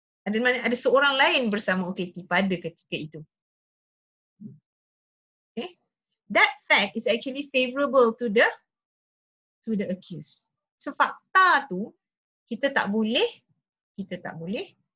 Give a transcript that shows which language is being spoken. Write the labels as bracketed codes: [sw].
[ms] Ada seorang lain bersama OKT pada ketika itu. [en] That fact is actually favorable to the accused. [ms] So fakta tu kita tak boleh